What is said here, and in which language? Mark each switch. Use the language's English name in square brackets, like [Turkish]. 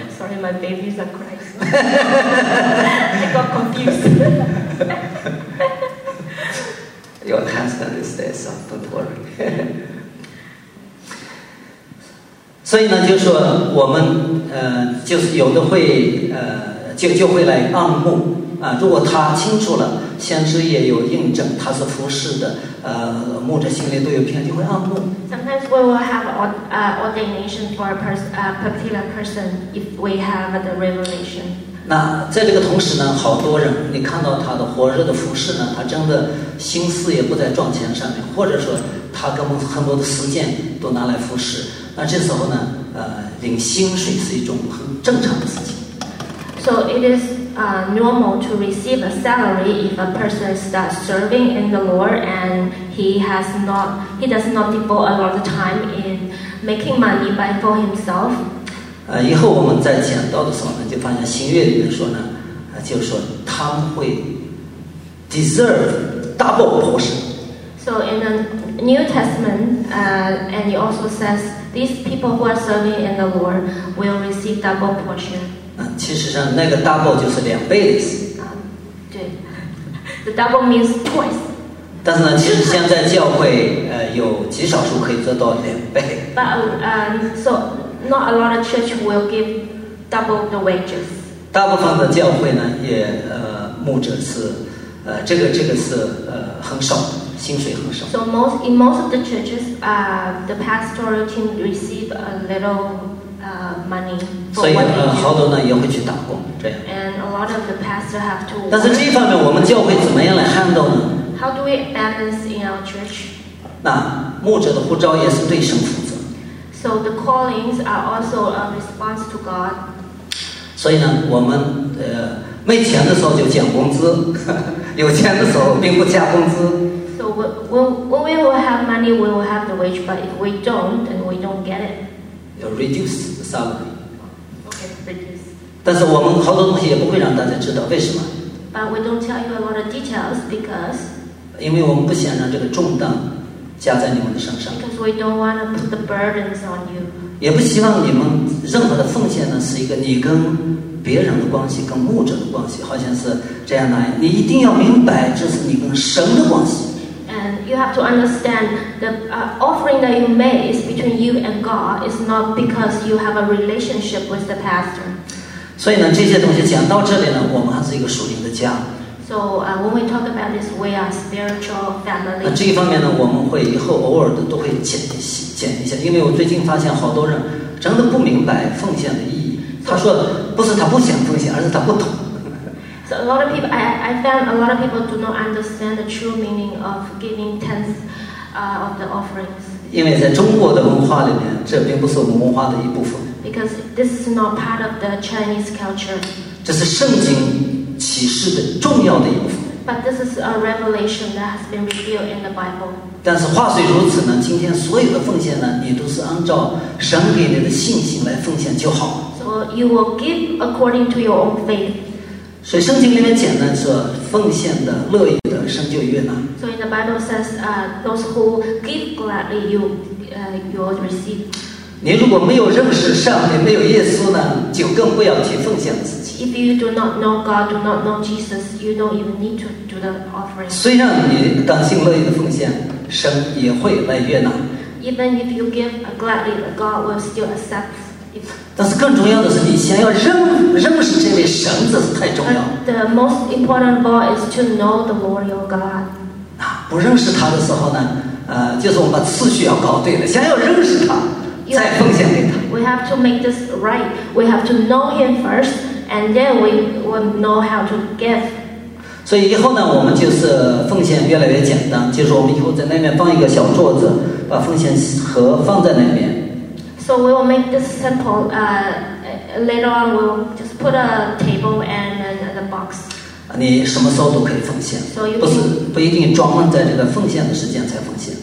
[English] Sorry, my babies are crying. I got confused. Your husband is there, so don't worry. [Chinese] 所以呢，就说我们就是有的会就会来暗牧啊。如果他清楚了，先知也有印证，他是服侍的，牧者心里都有平安，就会暗牧。 [English] Sometimes we will have ordination for a particular person if we have the revelation. [Chinese] 那在这个同时呢，好多人你看到他的火热的服侍呢，他真的心思也不在赚钱上面，或者说他根本很多的时间都拿来服侍。那这时候呢，领薪水是一种很正常的事情。 [English] So it is normal to receive a salary if a person starts serving in the Lord and he does not devote a lot of time in making money by for himself. [Chinese] 以后我们在讲到的时候呢，就发现新约里面说呢，就是说他会 [English] deserve double portion. So in the New Testament, and it also says these people who are serving in the Lord will receive double portion. [Chinese] 其实上那个 double 就是两倍的意思。 [English] 对 ，the double means twice。 [Chinese] 但是呢，其实现在教会有极少数可以做到两倍。 [English] But so not a lot of church will give double the wages。 [Chinese] 大部分的教会呢，也牧者是这个是很少，薪水很少。 [English] So in most of the churches, the pastoral team receive a little. Money for [Chinese] 所以好多呢也会去打工，这样。 [English] And a lot of the pastor have to. [Chinese] 但是这方面我们教会怎么样来 handle 呢 [English] ？How do we balance in our church？ [Chinese] 那牧者的呼召也是对神负责。 [English] So the callings are also a response to God. [Chinese] 所以呢，我们没钱的时候就降工资，有钱的时候并不加工资。 [English] So when we will have money, we will have the wage, but if we don't, then we don't get it. Reduce the salary. Okay, reduce. [Chinese] 但是我们好多东西也不会让大家知道，为什么 [English] ？But we don't tell you a lot of details because. [Chinese] 因为我们不想让这个重担加在你们的身上。 [English] Because we don't want to put the burdens on you. [Chinese] 也不希望你们任何的奉献呢是一个你跟别人的关系，跟牧者的关系，好像是这样的。你一定要明白，这是你跟神的关系。 [English] You have to understand the offering that you made is between you and God. It's not because you have a relationship with the pastor. [Chinese] 所以呢，这些东西讲到这里呢，我们还是一个属灵的家。 [English] So when we talk about this, we are spiritual family. [Chinese] 那这一方面呢，我们会以后偶尔的都会讲一下，因为我最近发现好多人真的不明白奉献的意义。他说不是他不想奉献，而是他不懂。 [English] So a lot of people, I found a lot of people do not understand the true meaning of giving tenths of the offerings. [Chinese] 因为在中国的文化里面，这并不是我们文化的一部分。 [English] Because this is not part of the Chinese culture. [Chinese] 这是圣经启示的重要的一部分。 [English] But this is a revelation that has been revealed in the Bible. [Chinese] 但是话虽如此呢，今天所有的奉献呢，你都是按照神给你的信心来奉献就好。 [English] So you will give according to your own faith. [Chinese] 所以圣经里面讲呢，说奉献的乐意的神就悦纳。 [English] So in the Bible says, those who give gladly, you will receive. [Chinese] 你如果没有认识上帝，没有耶稣呢，就更不要提奉献自己。 [English] If you do not know God, do not know Jesus, you don't even need to do the offering. [Chinese] 虽然你甘心乐意的奉献，神也会来悦纳。 [English] Even if you give gladly, God will still accept. [Chinese] 但是更重要的是，你先要认识这位神，这是太重要。 [English] The most important of all is to know the Lord your God. [Chinese] 啊，不认识他的时候呢，就是我们把次序要搞对了，先要认识他，再奉献给他。 [English] We have to make this right. We have to know him first, and then we will know how to give. [Chinese] 所以以后呢，我们就是奉献越来越简单，就是我们以后在那边放一个小桌子，把奉献盒放在那边。 [English] So we will make this simple. Later on, we'll just put a table and the box. [Chinese] 你什么时候都可以奉献，不一定专门在这个奉献的时间才奉献。